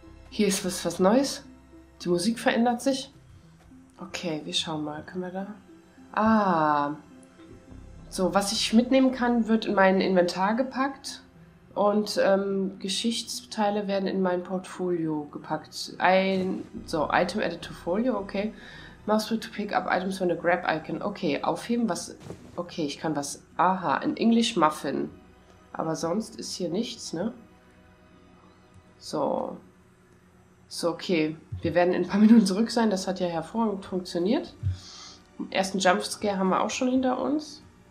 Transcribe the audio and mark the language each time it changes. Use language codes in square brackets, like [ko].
[de] Hier ist was Neues. Die Musik verändert sich. Okay, wir schauen mal. Können wir da? Ah. So, was ich mitnehmen kann, wird in mein Inventar gepackt. Und Geschichtsteile werden in mein Portfolio gepackt. [en] Item added to folio, okay. Mouse wheel to pick up items from the grab icon. [de] Okay, aufheben, was... Okay, ich kann was... Aha, ein English Muffin. Aber sonst ist hier nichts, ne? So. So, okay. Wir werden in ein paar Minuten zurück sein. Das hat ja hervorragend funktioniert. Den ersten Jumpscare haben wir auch schon hinter uns.